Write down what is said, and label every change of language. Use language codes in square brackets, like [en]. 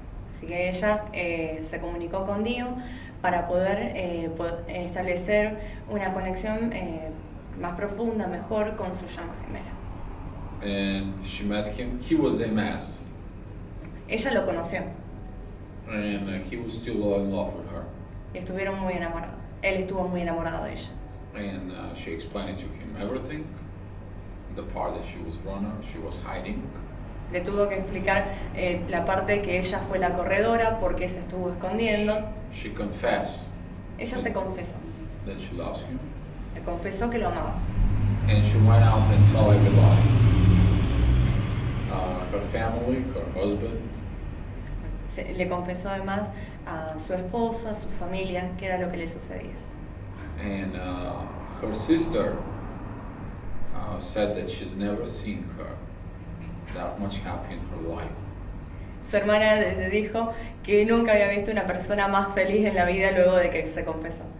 [es] Así que ella se comunicó con Dio para poder establecer una conexión más profunda, mejor con su llama gemela. [en] And she met him. He was MS. [es] Ella lo conoció. [en] And he was still in love with her. [es] Y estuvieron muy enamorados. Él estuvo muy enamorado de ella. [en] And she explained to him everything. The part that she was runner, she was hiding. [es] Le tuvo que explicar la parte que ella fue la corredora, por qué se estuvo escondiendo. [en] She confessed. [es] Ella se confesó. [en] That she loves him. [es] Le confesó que lo amaba. [en] And she went out and told everybody. Her family, her husband. [es] Se, le confesó además a su esposa, a su familia, qué era lo que le sucedía. And her sister said that she's never seen her that much happy in her life. Su hermana le dijo que nunca había visto una persona más feliz en la vida luego de que se confesó.